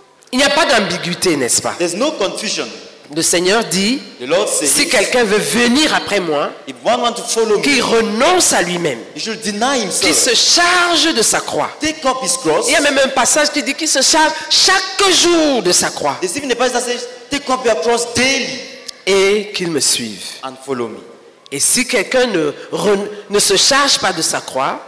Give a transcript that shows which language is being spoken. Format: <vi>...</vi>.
<fr>Il n'y a pas d'ambiguïté, n'est-ce pas?</fr> <en>There's no confusion.</en> <fr>Le Seigneur dit,</fr> <en>the Lord says,</en> <fr>si quelqu'un veut venir après moi,</fr> <en>if one want to follow</en> <fr>qu'il</fr> <en>me,</en> <fr>renonce à lui-même,</fr> <en>he should deny himself,</en> <fr>qu'il se charge de sa croix.</fr> <en>Take up his cross.</en> <fr>Il y a même un passage qui dit qu'il se charge chaque jour de sa croix.</fr> <en>There's even a passage that says, take up your cross daily.</en> <fr>Et qu'il me suive.</fr> <en>And follow me.</en> <fr>Et si quelqu'un ne se charge pas de sa croix,</fr>